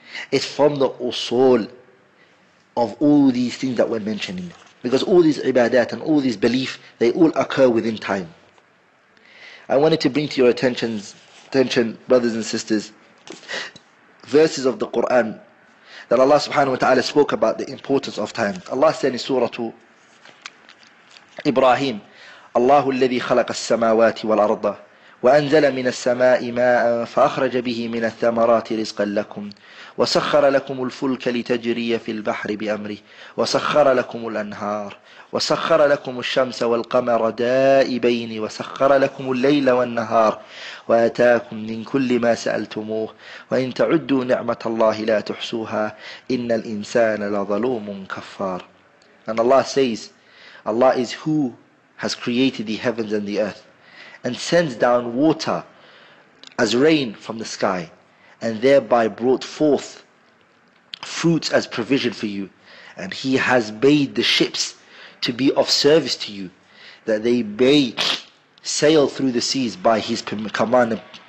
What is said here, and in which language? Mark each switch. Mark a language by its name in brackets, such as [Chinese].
[English] It's from the usul of all these things that we're mentioning. Because all these ibadat and all these belief, they all occur within time. I wanted to bring to your attention, brothers and sisters, verses of the Quran that Allah subhanahu wa ta'ala spoke about the importance of time. Allah said in Surah Ibrahim, [Arabic] الله الذي خلق السماوات والأرض وأنزل من السماء ماء فأخرج به من الثمرات رزقا لكم وسخر لكم الفلك لتجري في البحر بأمره وسخر لكم الأنهار وسخر لكم الشمس والقمر دائبين وسخر لكم الليل والنهار وآتاكم من كل ما سألتموه وإن تعدوا نعمة الله لا تحصوها إن الإنسان لظلوم كفار. [English] And Allah says, Allah is who has created the heavens and the earth, and sends down water as rain from the sky, and thereby brought forth fruits as provision for you. And He has made the ships to be of service to you, that they may sail through the seas by His command.